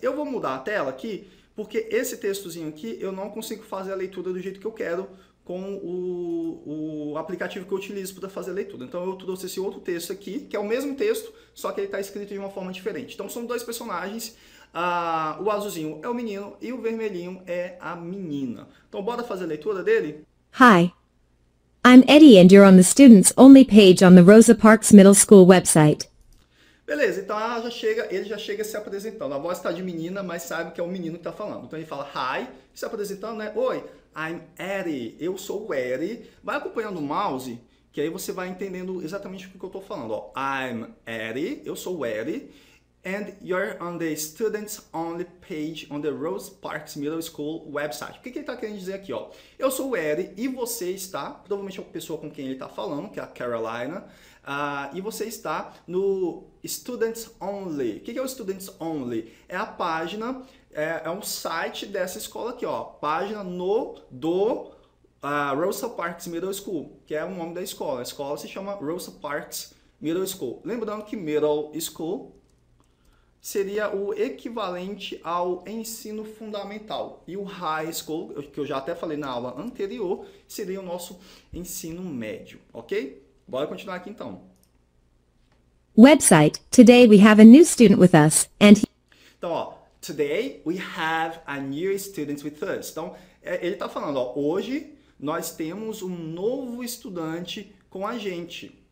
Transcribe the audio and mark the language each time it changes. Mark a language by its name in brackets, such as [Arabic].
[Portuguese] Eu vou mudar a tela aqui, porque esse textozinho aqui, eu não consigo fazer a leitura do jeito que eu quero com o aplicativo que eu utilizo para fazer a leitura. Então, eu trouxe esse outro texto aqui, que é o mesmo texto, só que ele está escrito de uma forma diferente. Então, são dois personagens. O azulzinho é o menino e o vermelhinho é a menina. Então, bora fazer a leitura dele? [English] Hi, I'm Eddie and you're on the students only page on the Rosa Parks Middle School website. [Portuguese] Beleza, então ele já chega se apresentando. A voz está de menina, mas sabe que é o menino que está falando. Então ele fala, hi, se apresentando, né? Oi, [English] I'm Eddie, [Portuguese] eu sou o Eddie. Vai acompanhando o mouse, que aí você vai entendendo exatamente o que eu estou falando. Ó, [English] I'm Eddie, [Portuguese] eu sou o Eddie. [English] And you're on the students only page on the Rose Parks Middle School website. [Portuguese] O que ele está querendo dizer aqui? Ó, eu sou o Eddie e você está, provavelmente a pessoa com quem ele está falando, que é a Carolina, e você está no Students Only. O que é o Students Only? É a página, é um site dessa escola aqui, ó. Página Rosa Parks Middle School, que é o nome da escola. A escola se chama Rosa Parks Middle School. Lembrando que Middle School seria o equivalente ao ensino fundamental. E o High School, que eu já até falei na aula anterior, seria o nosso ensino médio, ok? Bora continuar aqui então. [English] Website. Today we have a new student with us. And então, ó, today we have a new student with us. [Portuguese] Então, ele está falando, ó, hoje nós temos um novo estudante com a gente.